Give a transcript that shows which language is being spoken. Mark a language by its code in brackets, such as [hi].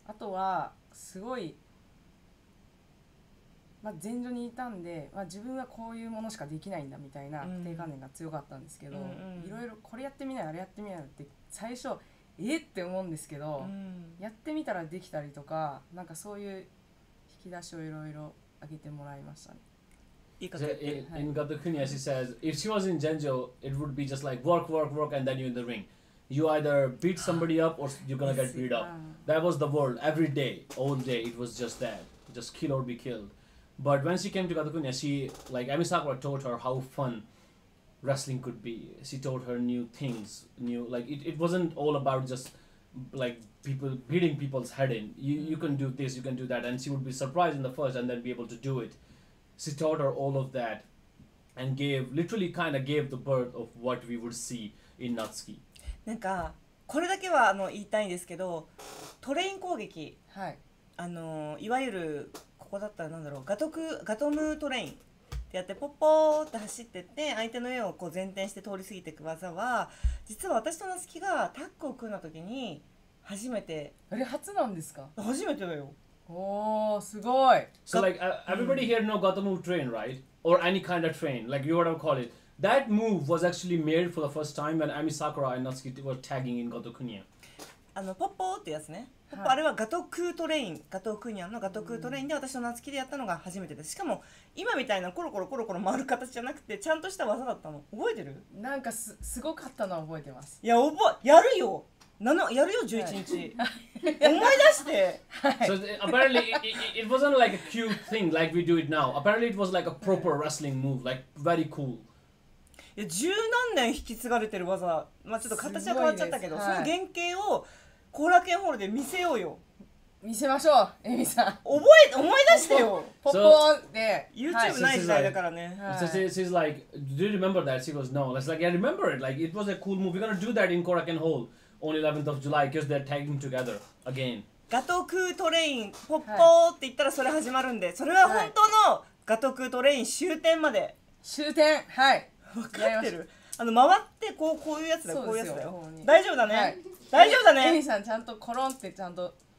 [ja] あとはすごい、まあ、前女にいたんで、まあ、自分はこういうものしかできないんだみたいな不定観念が強かったんですけど、いろいろこれやってみない、あれやってみないって最初えって思うんですけど、うん、やってみたらできたりとか、なんかそういう引き出しをいろいろ上げてもらいましたね。 [en] In Gato Kunia, she says, if she was in Genjo, it would be just like work, work, work, and then you're in the ring. You either beat somebody up or you're gonna get beat up. That was the world every day, all day. It was just that, just kill or be killed. But when she came to Gato Kunia, she, like, Ami Sakura told her how fun wrestling could be. She told her new things, new, like, it wasn't all about just, like, people beating people's head in. You can do this, you can do that, and she would be surprised in the first and then be able to do it. She taught her all of that and gave, literally kind of gave the birth of what we would see in Natsuki. [ja] なんか、これだけは言いたいんですけど、トレイン攻撃、はい、いわゆる、ここだったら何だろう、ガトムトレインってやってポッポーって走ってって相手の上をこう前転して通り過ぎていく技は、実は私とナスキがタッグを組んだ時に初めて、あれ初なんですか、初めてだよ、おーすごい。 [en] So like everybody here know ガトムトレイン right? Or any kind of train like you would have called it. That move was actually made for the first time when Ami Sakura and Natsuki were tagging in Gato Kunia. [ja] あのポッポーってやつね、あれはガトクートレイン、ガトークーニャンのガトクートレインで私と夏希でやったのが初めてです。しかも今みたいなコロコロコロコロ回る形じゃなくて、ちゃんとした技だったの覚えてる。なんか すごかったのは覚えてます。いや覚え、やるよ、やるよ11日、はい、思い出して。 [en] So apparently it wasn't like a cute thing like we do it now. Apparently it was like a proper wrestling move, like very cool. [ja] いや十何年引き継がれてる技、まあ、ちょっと形は変わっちゃったけど、はい、その原型を後楽園ホールで見せようよ。見せましょう、エミさん。思い出してよ。ポッポーンって。 YouTube ない時代だからね。 [en] So she's like, do you remember that? She goes, no. I was like, yeah, I remember it. Like, it was a cool movie. We're gonna do that in Korakuen Hall on 11th of July because they're tagging together again. [ja] ガトクートレイン、ポッポーって言ったらそれ始まるんで、それは本当のガトクートレイン終点まで。終点、はい。分かってる。あの回ってこう、こういうやつだよ、こういうやつだよ。大丈夫だね。大丈夫だね。エミさん、ちゃんとコロンってちゃんと。